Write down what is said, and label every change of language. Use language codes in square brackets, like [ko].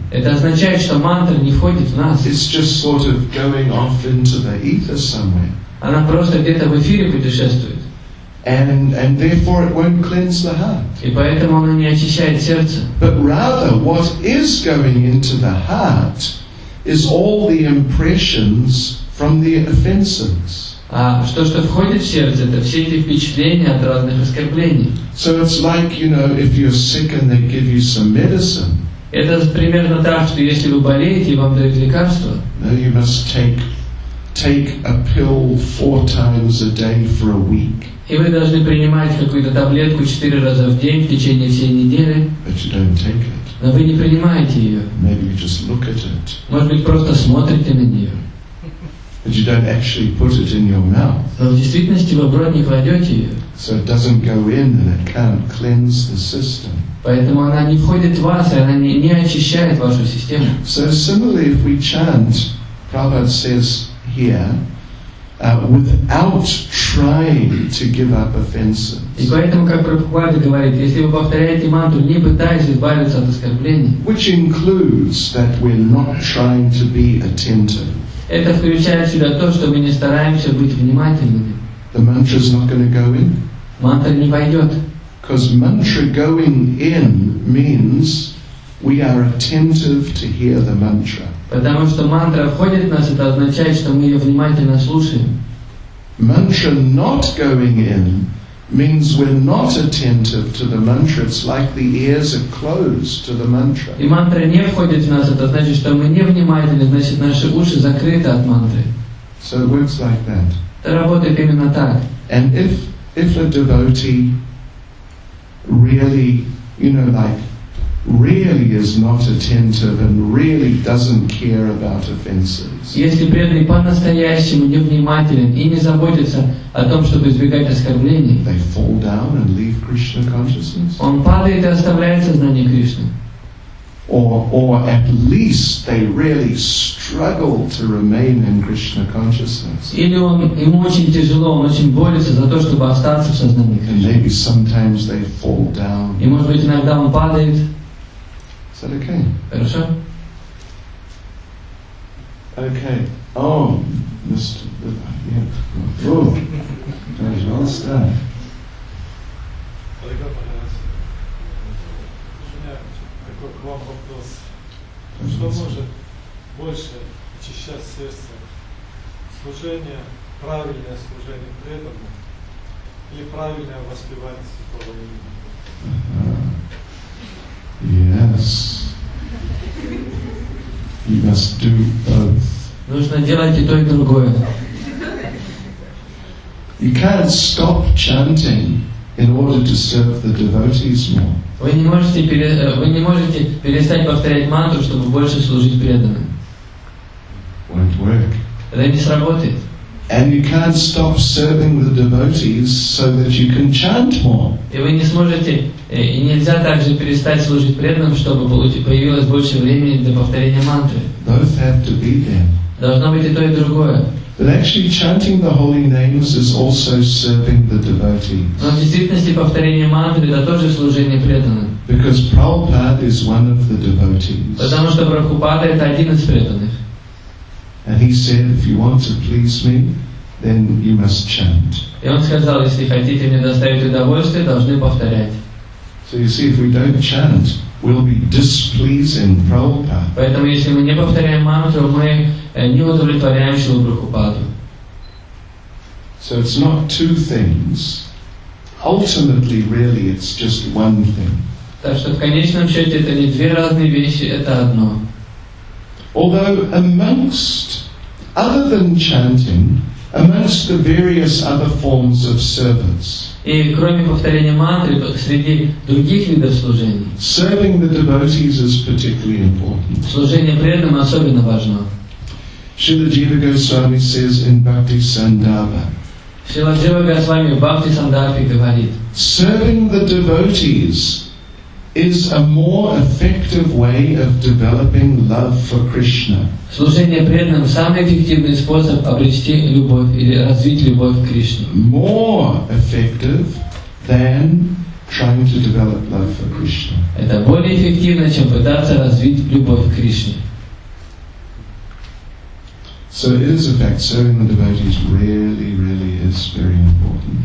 [ru] Это означает, что мантра не входит в нас. [en] It's just sort of going off into the ether somewhere. [ru] Она просто где-то в эфире путешествует. [en] And therefore it won't cleanse the heart. [ru] И поэтому оно не очищает сердце. [en] But rather, what is going into the heart is all the impressions from the offenses. [ru] А что входит в сердце, это все эти впечатления от разных оскорблений. [en] So it's like, you know, if you're sick and they give you some medicine. [ru] Это примерно так, что если вы болеете, и вам дают лекарство. [en] No, you must take a pill 4 times a day for a week. [ru] И вы должны принимать какую-то таблетку 4 раза в день в течение всей недели. [en] But you don't take it. [ru] Но вы не принимаете ее. [en] Maybe you just look at it. [ru] Может быть, просто смотрите на нее. [en] But you don't actually put it in your mouth. [ru] Но в действительности вы в рот не кладете ее. [en] So it doesn't go in and it can't cleanse the system. [ru] Поэтому она не входит в вас, и она не очищает вашу систему. [en] So similarly, if we chant, Prabhupada says here, without trying to give up offenses. [ru] И поэтому, как Прабхупада говорит, если вы повторяете мантру, не пытаясь избавиться от оскорблений. [en] Which includes that we're not trying to be attentive. [ru] Это включает в себя то, что мы не стараемся быть внимательными. [en] The mantra is not going to go in. [ru] Мантра не войдет. [en] Because mantra going in means we are attentive to hear the mantra. [ru] Потому что мантра входит в нас, это означает, что мы ее внимательно слушаем. [en] Mantra not going in means we're not attentive to the mantra. It's like the ears are closed to the mantra. [ru] И мантра не входит в нас, это значит, что мы не внимательны, значит, наши уши закрыты от мантры. [en] So it works like that. [ru] Это работает именно так. [en] And if a devotee really, you know, like, really is not attentive and really doesn't care about offenses. [ru] Если преданный по-настоящему не внимателен и не заботится о том, чтобы избегать оскорблений, [en] they fall down and leave Krishna consciousness. [ru] Он падает и оставляет сознание Кришны. [en] Or at least they really struggle to remain in Krishna consciousness. [ru] Или ему очень тяжело, он очень борется за то, чтобы остаться в сознании Кришны. [en] And maybe sometimes they fall down. [ru] И может быть иногда он падает. [en] Is that okay? [ru] Хорошо. [en] Okay. Oh, Mr. Yeah. Oh, there's all stuff. [ru] Что может больше очищать сердце? Служение, правильное служение преданному или правильное воспевание святого имени? [en] Yes. You must do both. [ru] Нужно делать и то, и другое. [en] You can't stop chanting in order to serve the devotees more. [ru] Вы не можете перестать повторять мантру, чтобы больше служить преданным. [en] Won't work. [ru] Это не сработает. [en] And you can't stop serving the devotees so that you can chant more. [ru] И вы не сможете, и нельзя также перестать служить преданным, чтобы появилось больше времени для повторения мантры. [en] Both have to be there. [ru] Должно быть и то, и другое. [en] But actually chanting the holy names is also serving the devotees. [ru] Но в действительности повторение мантры это тоже служение преданным. [en] Because Prabhupada is one of the devotees. [ru] Потому что Прабхупада это один из преданных. [en] And he said, if you want to please me, then you must chant. [ru] И он сказал, если хотите мне доставить удовольствие, должны повторять. [en] So you see, if we don't chant, we'll be displeasing Prabhupada. [ru] Поэтому если мы не повторяем мантру, мы не удовлетворяем Шрилу Прабхупаду. [en] So it's not two things. Ultimately, really, it's just one thing. [ru] Так что в конечном счете это не две разные вещи, это одно. [en] Although amongst, other than chanting, amongst the various other forms of service. [ru] И кроме повторения мантры, среди других видов служений. [en] Serving the devotees is particularly important. [ru] Служение преданным особенно важно. [en] Srila Jiva Goswami says in Bhakti Sandarbha. [ru] Srila Jiva Goswami в Бхакти Сандарбхе говорит. [en] Serving the devotees is a more effective way of developing love for Krishna. [ru] Служение преданным самый эффективный способ обрести любовь или развить любовь к Кришне. [en] More effective than trying to develop love for Krishna. [ru] Это более эффективно, чем пытаться развить любовь к Кришне. [en] So it is a fact, serving the devotees really, really is very important.